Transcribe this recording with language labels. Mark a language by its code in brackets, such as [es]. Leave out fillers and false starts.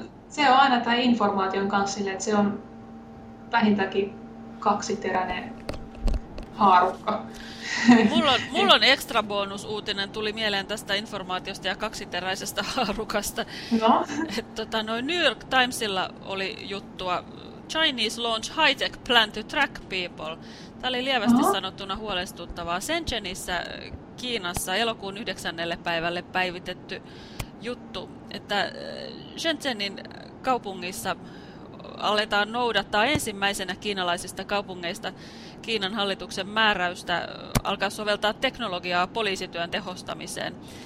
[fi] Se on aina tämä informaation kanssa sille, että se on vähintäänkin kaksiteräinen haarukka. Mulla on ekstra bonusuutinen, tuli mieleen tästä informaatiosta ja kaksiteräisestä haarukasta. No. New York Timesilla oli juttua. [en] Chinese launch high-tech plan to track people. [fi] Tämä oli lievästi sanottuna huolestuttavaa. Shenzhenissä Kiinassa elokuun 9. päivälle päivitetty juttu, että Shenzhenin kaupungissa aletaan noudattaa ensimmäisenä kiinalaisista kaupungeista Kiinan hallituksen määräystä alkaa soveltaa teknologiaa poliisityön tehostamiseen.